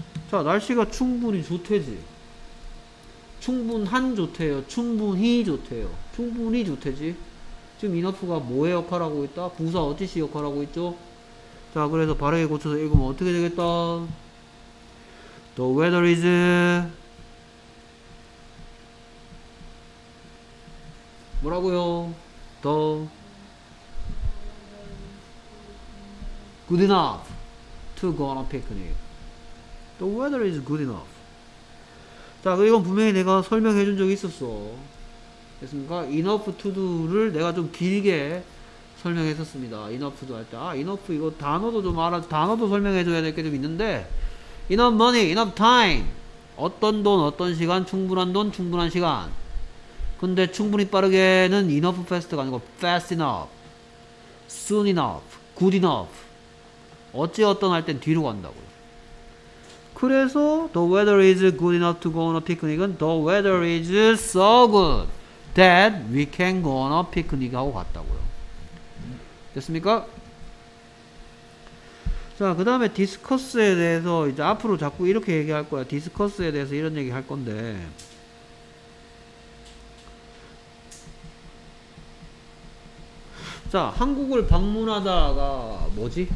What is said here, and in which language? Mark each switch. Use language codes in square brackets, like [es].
[ko] 자, 날씨가 충분히 좋대지. 충분한 좋대요. 충분히 좋대요. 충분히 좋대지. 지금 enough가 뭐의 역할을 하고 있다? 부사 어찌 시 역할을 하고 있죠? 자, 그래서 바르게 고쳐서 읽으면 어떻게 되겠다? [en] The weather is good enough to go on a picnic. The weather is good enough. [ko] 자, 이건 분명히 내가 설명해 준 적이 있었어. 됐습니까? [en] enough to do [ko] 를 내가 좀 길게 설명했었습니다. [en] enough to do [ko] 할 때. 아, enough 이거 단어도 좀 알아, 단어도 설명해 줘야 될 게 좀 있는데. [en] Enough money, enough time. [ko] 어떤 돈, 어떤 시간, 충분한 돈, 충분한 시간. 근데 충분히 빠르게는 [en] enough fast [ko] 가 아니고 [en] fast enough, soon enough, good enough. [ko] 어찌어떤 할 땐 뒤로 간다고요. [en] 그래서 the weather is good enough to go on a picnic [ko] 은 [en] the weather is so good that we can go on a picnic [ko] 하고 갔다고요. 됐습니까? 자, 그 다음에 디스커스에 대해서 이제 앞으로 자꾸 이렇게 얘기할 거야. 디스커스에 대해서 이런 얘기 할 건데, 자, 한국을 방문하다가 뭐지?